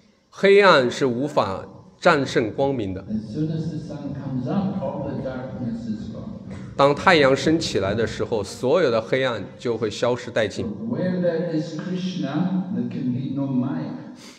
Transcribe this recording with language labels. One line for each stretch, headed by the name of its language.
Chinese: 黑暗是无法战胜光明的。
English: As soon as the sun comes up, all the darkness is gone.
Chinese: 当太阳升起来的时候，所有的黑暗就会消失殆尽。
English: Where there is Krishna, there can be no Maya.